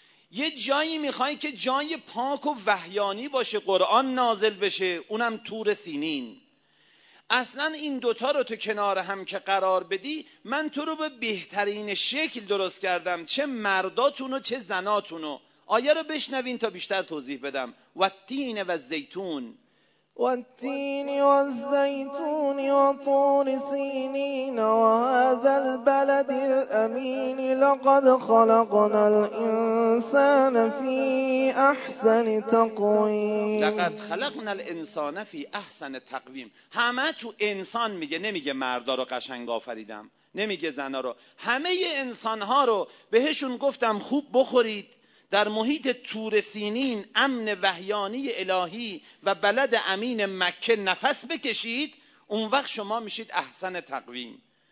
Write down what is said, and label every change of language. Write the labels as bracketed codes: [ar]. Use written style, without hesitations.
[fa] یه جایی میخوای که جای پاک و وحیانی باشه، قرآن نازل بشه، اونم طور سینین، اصلا این دوتا رو تو کنار هم که قرار بدی، من تو رو به بهترین شکل درست کردم، چه مرداتونو چه زناتونو. آیه رو بشنوین تا بیشتر توضیح بدم. و تین و زیتون، [ar] والتين والزيتون وطور سينين وهذا البلد الأمين لقد خلقنا الإنسان في أحسن تقويم لقد خلقنا الإنسان في أحسن تقويم [fa] همه تو انسان میگه نمیگه مردا رو قشنگ آفریدم نمیگه زنا رو همه انسان ها رو بهشون گفتم خوب بخورید در محیط طور سینین امن وحیانی الهی و بلد امین مکه نفس بکشید اون وقت شما میشید احسن تقویم